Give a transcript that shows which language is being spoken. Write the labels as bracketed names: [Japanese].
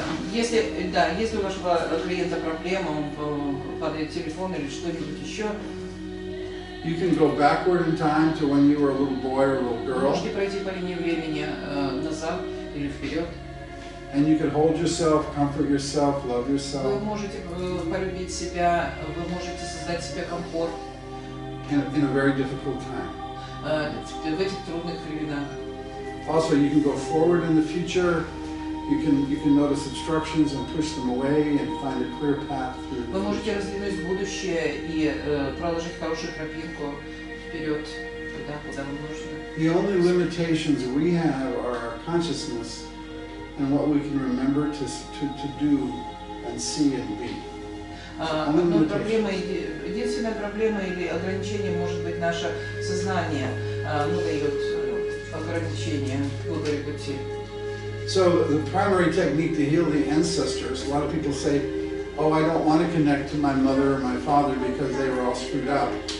[Russian] Если у вашего клиента проблема, он падает телефон или что-нибудь еще. [English] You can go backward in time to when you were a little boy or a little girl. [Russian] Можете пройти по линии времени назад или вперед. [English] And you can hold yourself, comfort yourself, love yourself. [Russian] Вы можете полюбить себя, вы можете создать себе комфорт. [English] In a very difficult time. [Russian] В этих трудных временах. [English] Also, you can go forward in the future. You can notice obstructions and push them away and find a clear path through. [Russian] Вы можете раздвинуть будущее и проложить хорошую тропинку вперед, туда, куда вам нужно. [English] The only limitations we have are our consciousness. And what we can remember to do and see and be. [Russian] Единственная проблема или ограничение может быть наше сознание, оно дает ограничение выбора пути. [English] So the primary technique to heal the ancestors, a lot of people say, oh, I don't want to connect to my mother or my father because they were all screwed up.